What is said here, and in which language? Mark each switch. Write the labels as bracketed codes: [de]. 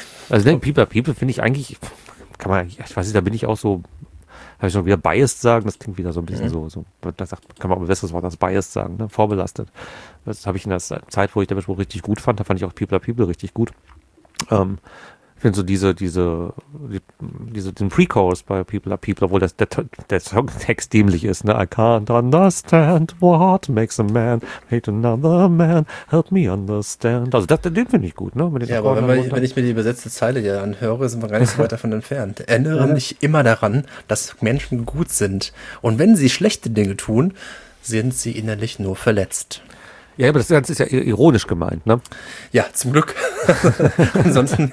[de] Also, ne, People Are People finde ich eigentlich, kann man, ich weiß nicht, da bin ich auch so, habe ich schon wieder biased sagen, das klingt wieder so ein bisschen so, da sagt, kann man auch ein besseres Wort als biased sagen, ne? Vorbelastet. Das habe ich in der Zeit, wo ich den Spruch richtig gut fand, da fand ich auch People Are People richtig gut. Ich finde so diesen Pre-Chorus bei People Are People, obwohl der Songtext dämlich ist, ne? [en] I can't understand what makes a man hate another man, help me understand. [de] Also den finde ich gut, ne? Ja, aber wenn ich mir die übersetzte Zeile hier anhöre, sind wir gar nicht so weit davon entfernt. Erinnere mich immer daran, dass Menschen gut sind. Und wenn sie schlechte Dinge tun, sind sie innerlich nur verletzt. Ja, aber das Ganze ist ja ironisch gemeint, ne? Ja, zum Glück. Ansonsten